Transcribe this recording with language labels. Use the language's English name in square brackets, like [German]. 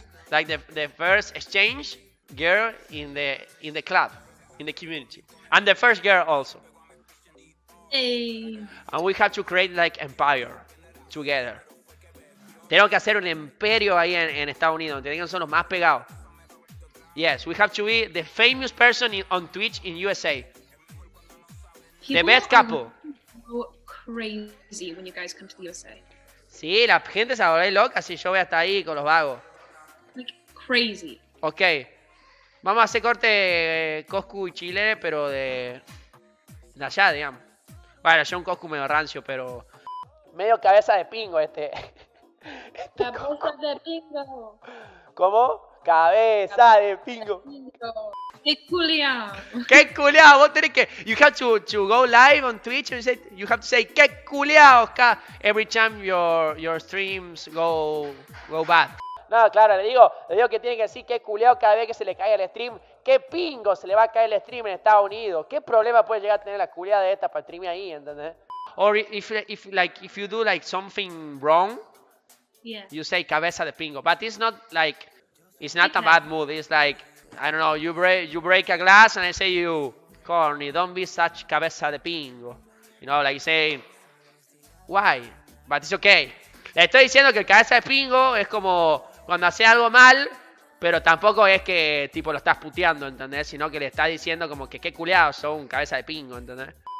[English] like the first exchange girl in the club, in the community, and the first girl also. Hey. And we have to create like empire together. [Spanish] Tenemos que hacer un imperio ahí en Estados Unidos, donde son los más pegados. [English] Yes, we have to be the famous person on Twitch in USA. People the best couple. Go crazy when you guys come to the USA. [Spanish] Sí, la gente se va loca si yo voy hasta ahí con los vagos. [English] Like crazy. Ok. [Spanish] Vamos a hacer corte Coscu y Chile, pero de allá, digamos. Bueno, yo un Coscu medio rancio, pero... Medio cabeza de pingo este. Cabeza de pingo. ¿Cómo? Cabeza de pingo. ¡Qué culiao! ¡Qué culiao! Vos tenés que... [English] You have to go live on Twitch and say, you have to say [Spanish] ¡qué culiao! [English] Every time your streams go bad. [Spanish] No, claro, le digo que tiene que decir ¡qué culiao! Cada vez que se le cae el stream. ¡Qué pingo se le va a caer el stream en Estados Unidos! ¿Qué problema puede llegar a tener la culiada de esta para streamear ahí, ¿entendés? [English] Or if you do like something wrong, yeah, you say [Spanish] cabeza de pingo. [English] But it's not like... It's not a bad mood. It's like, I don't know, you break a glass and I say you, corny, don't be such [Spanish] cabeza de pingo. [English] You know, like saying, why? But it's okay. [Spanish] Le estoy diciendo que el cabeza de pingo es como cuando hace algo mal, pero tampoco es que tipo lo estás puteando, ¿entendés? Sino que le estás diciendo como que qué culiao son cabeza de pingo, ¿entendés?